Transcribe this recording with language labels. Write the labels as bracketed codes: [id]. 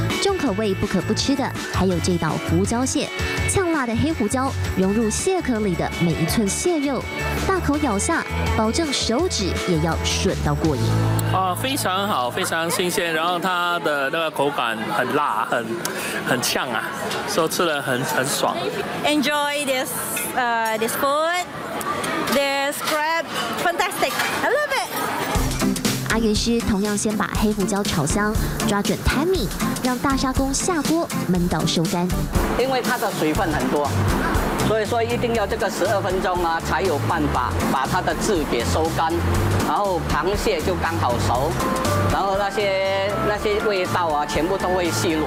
[zh] 重口味不可不吃的还有这道胡椒蟹，呛辣的黑胡椒融入蟹壳里的每一寸蟹肉，大口咬下，保证手指也要吮到过瘾。啊，非常好，非常新鲜，然后它的那个口感很辣，很呛啊，所以吃了很爽。 [en] Enjoy this food, this crab, fantastic, I love it. [zh] 阿元师同样先把黑胡椒炒香，抓准 timing， 让大沙公下锅焖到收干。因为它的水分很多，所以说一定要这个12分钟啊，才有办法把它的汁给收干，然后螃蟹就刚好熟，然后那些味道啊，全部都会吸入。